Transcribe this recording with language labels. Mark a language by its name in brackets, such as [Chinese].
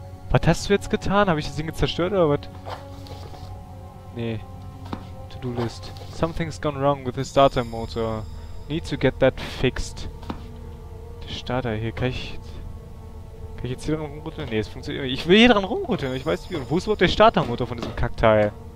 [German] Was hast du jetzt getan? Habe ich das Ding zerstört oder was? Nee. To-Do-List. [English] Something's gone wrong with the starter motor. Need to get that fixed. [German] Der Starter hier, kann ich jetzt hier dran rumrütteln? Nee, es funktioniert nicht. Ich will hier dran rumrütteln, ich weiß nicht wie. Und wo ist überhaupt der Startermotor von diesem Kackteil?